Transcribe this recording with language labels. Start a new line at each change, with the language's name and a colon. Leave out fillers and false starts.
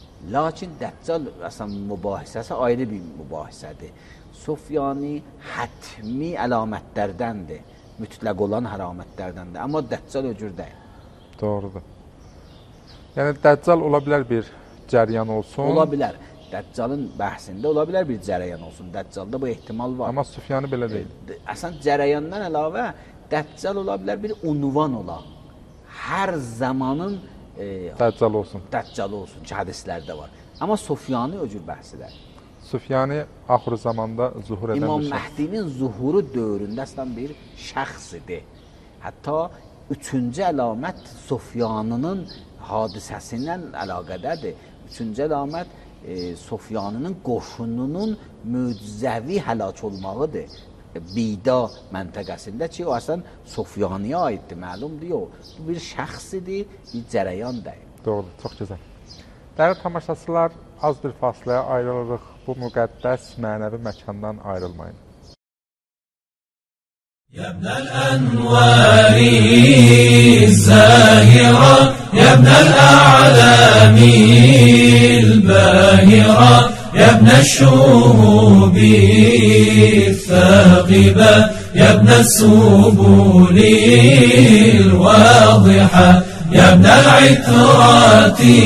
Azerbaijani: Lakin deccal aslında mübahisesi ayrı bir mübahisedir. Sofyani hatmi alametlerdendir. Mütləq olan alametlerdendir. Ama deccal öcür deyil. Doğrudur. Yani deccal olabilir bir ceryan olsun. Olabilir. Dəccalın bəhsində ola bilər bir cərəyan olsun. Dəccalda bu ehtimal var. Amma Sufyanı belə deyil. Əsən cərəyandan əlavə dəccal ola bilər bir unvan ola. Hər zamanın dəccal olsun. Dəccal olsun ki, hədislərdə var. Amma Sufyanı o cür bəhsidir. Sufyanı axır zamanda zuhur edən bir şəxs. İmam Mehdinin zuhuru dövründə əslən bir şəxs idi. Hətta üçüncü əlamət Sufyanının hadisəsindən əlaqədədir. Üçüncü əlamət Sofyanının qoşununun möcüzəvi həlaç olmağıdır. Bida məntəqəsində ki, o aslan Sofyaniyə aiddir, məlumdur. Yox, bu bir şəxs idi, bir cərəyan deyil. Doğru, çox gözəl. Dəyərli tamaşaçılar, az bir fasiləyə ayrılırıq. Bu müqəddəs mənəvi məkandan ayrılmayın.
Arabic: يبنى الأنوار الزاهرة يبنى الأعلام الباهرة يبنى الشهوب الثاقبة يبنى السبل الواضحة يبنى العترات